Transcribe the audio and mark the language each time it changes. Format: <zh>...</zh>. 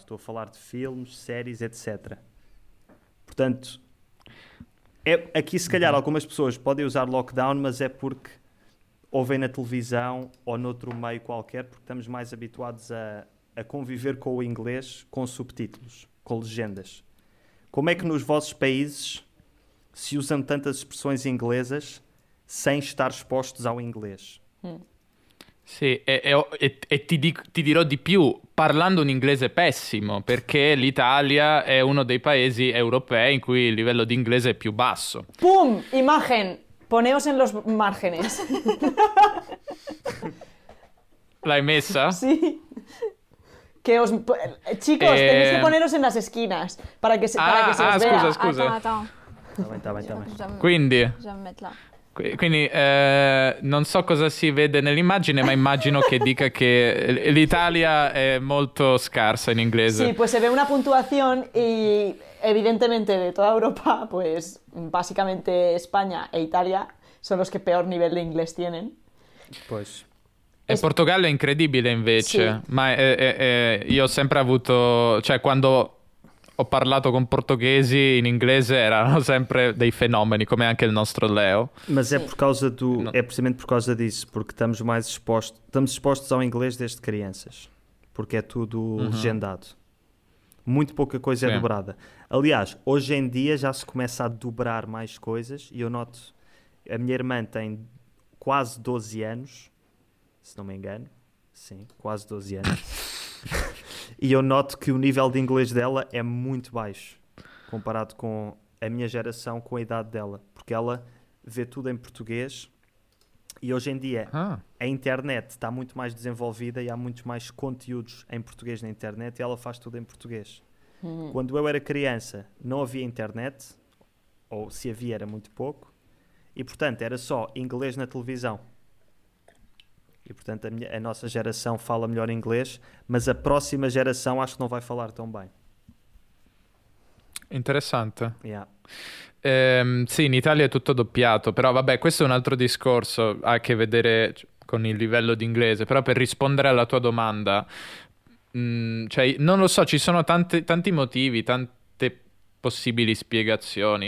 <pt>Estou a falar de filmes, séries, etc. Portanto, aqui se calhar algumas pessoas podem usar lockdown, mas é porque ouvem na televisão ou noutro meio qualquer, porque estamos mais habituados a conviver com o inglês com subtítulos, com legendas. Como é que nos vossos países se usam tantas expressões inglesas sem estar expostos ao inglês?</pt> <it>Sì, e ti dirò di più, parlando un inglese pessimo, perché l'Italia è uno dei paesi europei in cui il livello di inglese è più basso.</it> <es>Pum! Imagen! Poneos en los márgenes.</es> <it>L'hai messa? Sì.</it> <pt>Que os...</pt> <es>Chicos, tenéis que poneros en las esquinas, para que se, ah, para que se ah, os vea.</es> <it>Scusa, scusa. Attenta. Quindi... Quindi non so cosa si vede nell'immagine, ma immagino che dica che l'Italia è molto scarsa in inglese.</it> <es>Sì, pues se ve una puntuación y evidentemente de toda Europa, pues básicamente España e Italia son los que peor nivel de inglés tienen. Pues...</es> <it>E Portogallo è incredibile invece, sì. Ma io ho sempre avuto... Cioè, quando... Ho parlato con portoghesi in inglese, erano sempre dei fenomeni, come anche il nostro Leo.</it> <pt>Mas sim. È precisamente por causa disso, porque estamos mais expostos, ao inglês desde crianças, porque é tudo legendado. Muito pouca coisa é dobrada. Aliás, hoje em dia já se começa a dobrar mais coisas, e eu noto, a minha irmã tem quase 12 anos, se não me engano, sim, quase 12 anos. E eu noto que o nível de inglês dela é muito baixo comparado com a minha geração, com a idade dela, porque ela vê tudo em português e hoje em dia a internet está muito mais desenvolvida e há muitos mais conteúdos em português na internet e ela faz tudo em português. Quando eu era criança não havia internet, ou se havia era muito pouco, e portanto era só inglês na televisão. E, portanto, a nossa geração fala melhor inglês, mas a próxima geração acho que não vai falar tão bem. Interessante.</pt> <en>Yeah.</en> <it>Sì, in Italia è tutto doppiato, però vabbè, questo è un altro discorso, ha a che vedere con il livello di inglese. Però per rispondere alla tua domanda, cioè, non lo so, ci sono tanti motivi, tante possibili spiegazioni.</it>